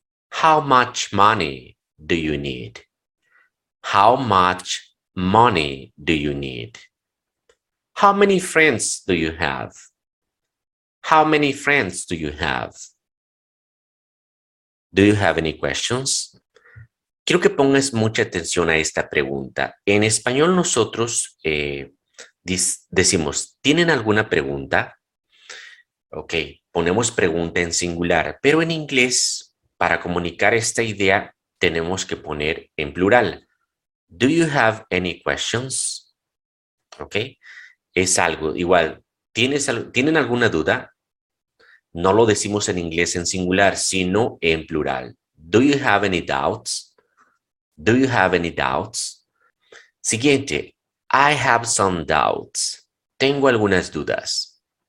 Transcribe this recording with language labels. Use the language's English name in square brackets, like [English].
[English] How much money do you need? How much money do you need? How many friends do you have? How many friends do you have? Do you have any questions? [Spanish] Quiero que pongas mucha atención a esta pregunta. En español nosotros decimos, ¿tienen alguna pregunta? Ok, ponemos pregunta en singular, pero en inglés, para comunicar esta idea, tenemos que poner en plural. [English] Do you have any questions? Ok. [Spanish] Es algo igual, ¿tienen alguna duda? No lo decimos en inglés en singular, sino en plural. [English] Do you have any doubts? Do you have any doubts? Siguiente. I have some doubts. [Spanish] Tengo algunas dudas.